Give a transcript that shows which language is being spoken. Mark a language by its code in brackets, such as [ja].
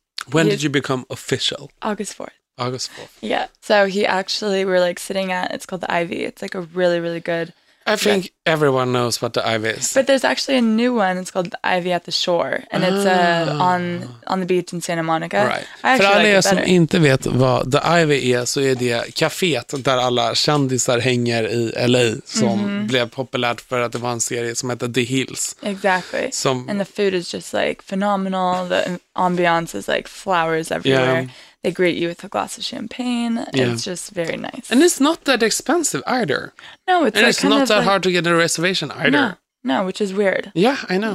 [en] When did you become official? August 4th. August 4th. Yeah. So he actually, we're like sitting at, it's called the Ivy. It's like a really, really good. I think everyone knows what the Ivy is. But there's actually a new one. It's called the Ivy at the Shore. And it's on the beach in Santa Monica. Right. [sv] För alla som inte vet vad the Ivy är, så är det kaféet där alla kändisar hänger i LA som blev populärt för att det var en serie som heter The Hills. [en] Exactly. And the food is just like phenomenal. The ambiance is like flowers everywhere. Yeah. They greet you with a glass of champagne. Yeah. It's just very nice. And it's not that expensive either. No, it's and like it's not that hard to get a reservation either. No, which is weird. Yeah, I know.